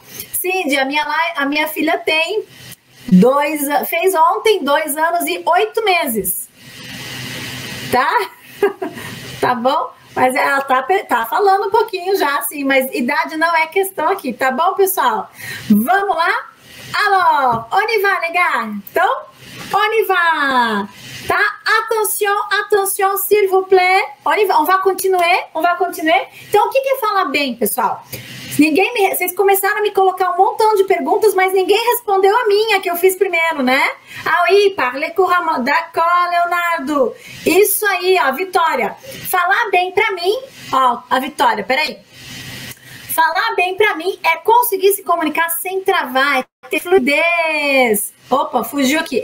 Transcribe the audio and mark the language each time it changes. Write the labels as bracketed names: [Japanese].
[Portuguese] Cindy, a minha filha tem fez ontem 2 anos e 8 meses. Tá? Tá bom? Mas ela tá falando um pouquinho já, assim, mas idade não é questão aqui, tá bom, pessoal? Vamos lá? Alô, onde va, legal? Então, onde va? Tá? [French] Attention, attention, s'il vous plaît. On va continuer, on va continuer. [Portuguese] Então, o que que fala bem, pessoal? Vocês começaram a me colocar um montão de perguntas, mas ninguém respondeu a minha, que eu fiz primeiro, né? Aí, [French] parle couramment, d'accord, [Portuguese] Leonardo. Isso aí, ó, Vitória. Falar bem pra mim, ó, a Vitória, peraí. Falar bem pra mim é conseguir se comunicar sem travar, é ter fluidez. Opa, fugiu aqui.